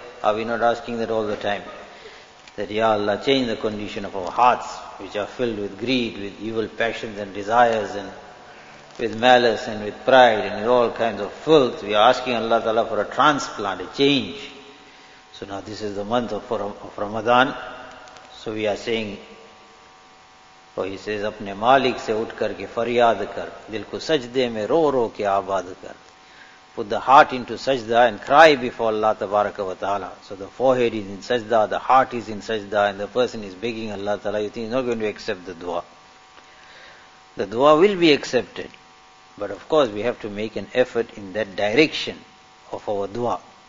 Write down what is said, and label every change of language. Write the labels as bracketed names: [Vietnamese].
[English] Are we not asking that all the time? That Ya Allah, change the condition of our hearts, which are filled with greed, with evil passions and desires, and with malice and with pride and with all kinds of filth. We are asking Allah Ta'ala for a transplant, a change. So now this is the month of Ramadan. So we are saying, oh, he says, [Urdu] اپنے مالک سے اٹھ کر کے فریاد کر، دل کو سجدے میں رو رو کے آباد کر. [English] Put the heart into sajda and cry before Allah tabaraka wa ta'ala. So the forehead is in sajda, the heart is in sajda, and the person is begging Allah ta'ala. You think he's not going to accept the dua. The dua will be accepted. But of course we have to make an effort in that direction of our dua.